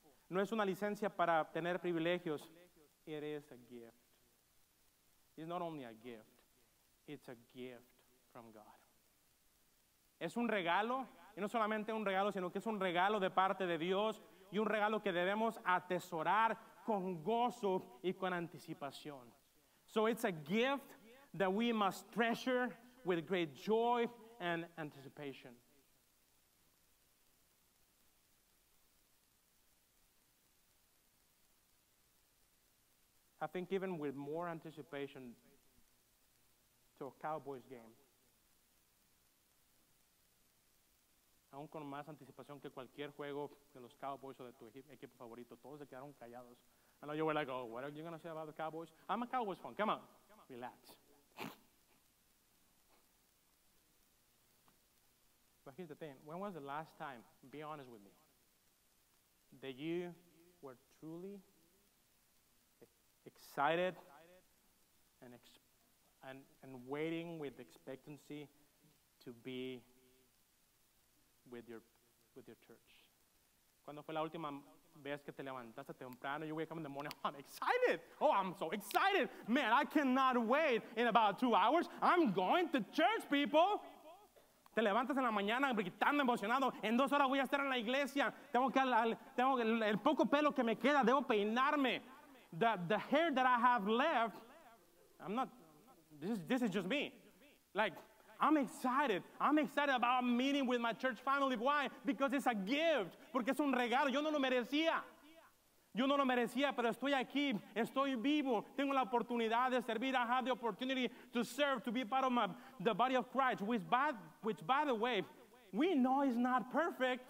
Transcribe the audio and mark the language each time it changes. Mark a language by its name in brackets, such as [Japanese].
[Spanish] No es una licencia para tener privilegios. [English] It is a gift. It's not only a gift. It's a gift from God. [Spanish] Es un regalo, y no solamente un regalo, sino que es un regalo de parte de Dios y un regalo que debemos atesorar con gozo y con anticipación. [English] So it's a gift that we must treasure with great joy and anticipation. I think even with more anticipation to a Cowboys game, [Spanish] aún con más anticipación que cualquier juego de los Cowboys o de tu equipo favorito, todos se quedaron callados. [English] I know you were like, oh, what are you going to say about the Cowboys? I'm a Cowboys fan. Come on. Relax. But here's the thing. When was the last time, be honest with me, that you were truly excited and waiting with expectancy to be with your church? [Spanish] ¿Cuándo fue la última vez que te levantaste temprano? [English] You wake up in the morning, oh, I'm excited. Oh, I'm so excited. Man, I cannot wait. In about 2 hours, I'm going to church, people. [Spanish] Te levantas en la mañana gritando, emocionado. En 2 horas voy a estar en la iglesia. Tengo el poco pelo que me queda, debo peinarme. [English] The hair that I have left, I'm not, this is just me. Like, I'm excited. I'm excited about meeting with my church family. Why? Because it's a gift. [Spanish] Porque es un regalo. Yo no lo merecía. Yo no lo merecía, pero estoy aquí. Estoy vivo. Tengo la oportunidad de servir. [English] I have the opportunity to serve, to be part of the body of Christ. Which, by the way, we know is not perfect.